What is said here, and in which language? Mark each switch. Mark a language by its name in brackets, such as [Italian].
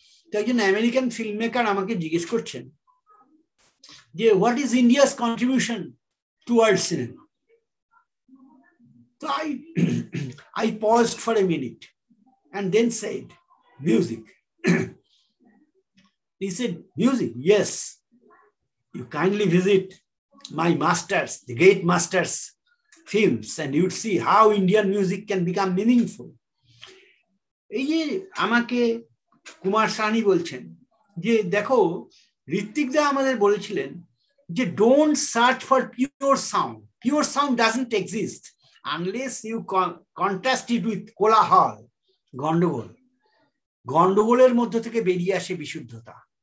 [Bangla] তো একজন American film maker আমাকে জিজ্ঞেস করছেন যে [English] What is India's contribution towards cinema. তো I paused for a minute and then said music. He said music, yes, you kindly visit my masters, the great masters films, and you'd see how Indian music can become meaningful. [Bangla] এই যে আমাকে কুমার সাহানি বলছেন যে দেখো ঋত্বিকদা আমাদের বলেছিলেন যে [English] don't search for pure sound doesn't exist unless you contrast it with [Bangla] কোলাহল, গন্ডগোল, গন্ডগোলের মধ্যে থেকে বেরিয়ে আসে বিশুদ্ধতা।